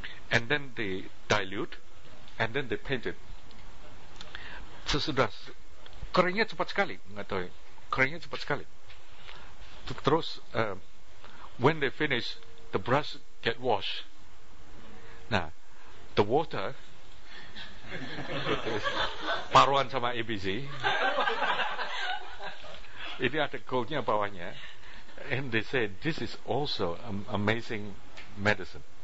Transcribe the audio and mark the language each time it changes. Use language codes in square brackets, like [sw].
[en] And then they dilute, and then they paint it. [id] Sesudah keringnya cepat sekali, nggak tahu, keringnya cepat sekali. [en] Terus when they finish, the brush get washed. [id] Nah, [en] the water [id] paruan sama ABC. Ini ada goldnya bawahnya, [en] and they say this is also amazing medicine.